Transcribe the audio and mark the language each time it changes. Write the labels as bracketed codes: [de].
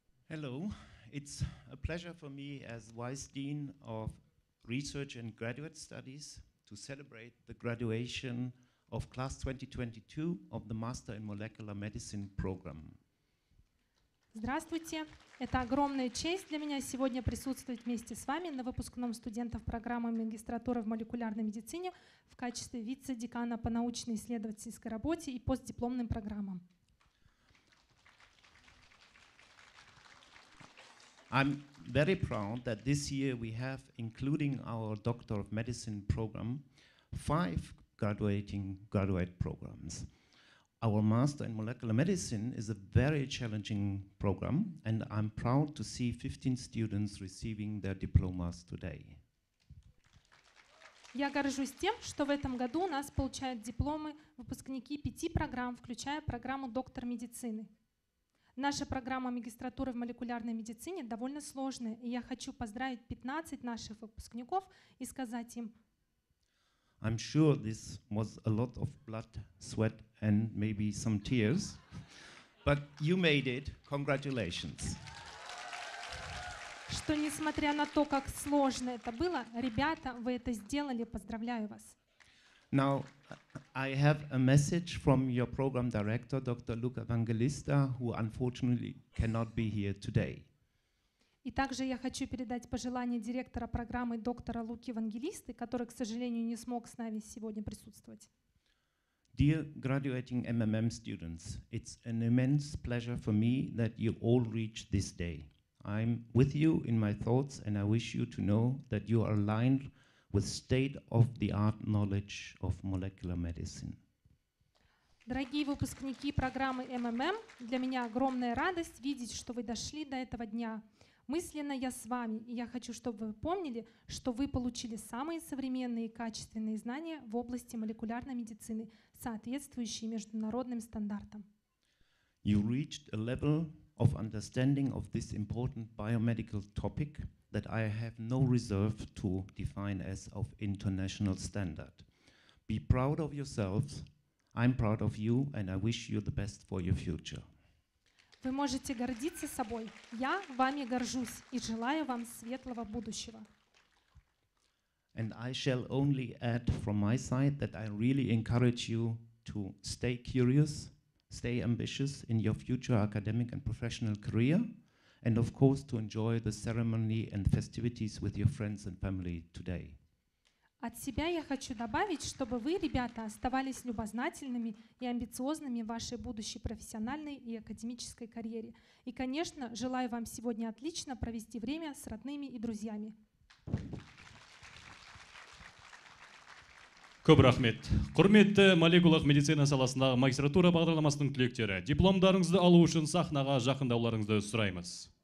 [en] Hello. It's a pleasure for me as Vice Dean of Research and Graduate Studies to celebrate the graduation of Class 2022 of the Master in Molecular Medicine program. [ru] Здравствуйте. Это огромная честь для меня сегодня присутствовать вместе с вами на выпускном студентов программы магистратуры в молекулярной медицине в качестве вице-декана по научно-исследовательской работе и постдипломным программам. [en] I'm very proud that this year we have, including our Doctor of Medicine program, five graduate programs. Our Master in Molecular Medicine is a very challenging program, and I'm proud to see 15 students receiving their diplomas today. [ru] Я горжусь тем, что в этом году у нас получают дипломы выпускники пяти программ, включая программу доктор медицины. Наша программа магистратуры в молекулярной медицине довольно сложная, и я хочу поздравить 15 наших выпускников и сказать им. [en] I'm sure this was a lot of blood, sweat and maybe some tears, but you made it. Congratulations. [ru] Что несмотря на то, как сложно это было, ребята, вы это сделали. Поздравляю вас. [en] Now, I have a message from your program director, Dr. Luca Vangelista, who unfortunately cannot be here today. [ru] И также я хочу передать пожелание директора программы доктора Луки Вангелисты, который, к сожалению, не смог с нами сегодня присутствовать. [en] Dear graduating MMM students, it's an immense pleasure for me that you all reach this day. I'm with you in my thoughts, and I wish you to know that you are aligned with state-of-the-art knowledge of molecular medicine. [ru] Дорогие выпускники программы МММ, для меня огромная радость видеть, что вы дошли до этого дня. Мысленно я с вами, и я хочу, чтобы вы помнили, что вы получили самые современные и качественные знания в области молекулярной медицины, соответствующие международным стандартам. [en] You reached a level of understanding of this important biomedical topic that I have no reserve to define as of international standard. Be proud of yourselves. I'm proud of you, and I wish you the best for your future. [ru] Вы можете гордиться собой. Я вами горжусь и желаю вам светлого будущего. [en] And I shall only add from my side that I really encourage you to stay curious, stay ambitious in your future academic and professional career. And of course, to enjoy the ceremony and festivities with your friends and family today. [ru] От себя я хочу добавить, чтобы вы, ребята, оставались любознательными и амбициозными в вашей будущей профессиональной и академической карьере. И, конечно, желаю вам сегодня отлично провести время с родными и друзьями. [kk] Көп рахмет. Құрметті молекулалық медицина саласындағы магистратура бағдарламасының түлектері, дипломдарыңызды алу үшін сахнаға жақындауларыңызды сұраймыз.